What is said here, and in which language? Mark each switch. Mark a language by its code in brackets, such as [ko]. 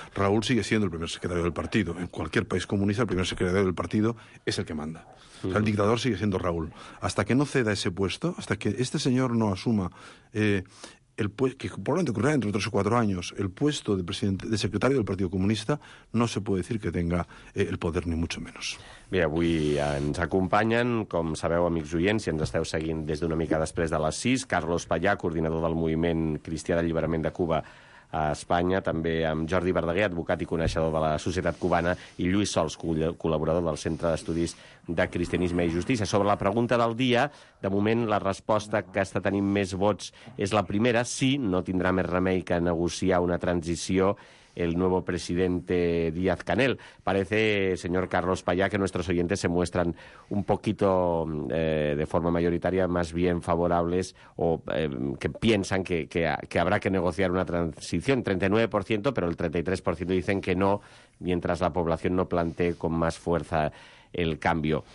[es] Raúl sigue siendo el primer secretario del partido. En cualquier país comunista el primer secretario del partido es el que manda. O sea, el dictador sigue siendo Raúl. Hasta que no ceda ese puesto, hasta que este señor no asuma que probablemente ocurrirá entre 3 o 4 años, el puesto de presidente, de secretario del Partido Comunista, no se puede decir que tenga el poder, ni mucho menos. [ca] Bé, avui ens acompanyen, com sabeu, amics oients, si ens esteu seguint des d'una mica després de les 6, Carlos Payá, coordinador del moviment cristià d'alliberament de Cuba a Espanya, també amb Jordi Verdaguer, advocat i coneixedor de la societat cubana, i Lluís Sols, col·laborador del Centre d'Estudis de Cristianisme i Justícia. Sobre la pregunta del dia, de moment la resposta que està tenint més vots és la primera: sí, no tindrà més remei que negociar una transició [es] el nuevo presidente [ca] Díaz-Canel. [es] Parece, señor Carlos Payá, que nuestros oyentes se muestran un poquito, de forma mayoritaria, más bien favorables, o que piensan que habrá que negociar una transición. 39%, pero el 33% dicen que no, mientras la población no plantee con más fuerza el cambio.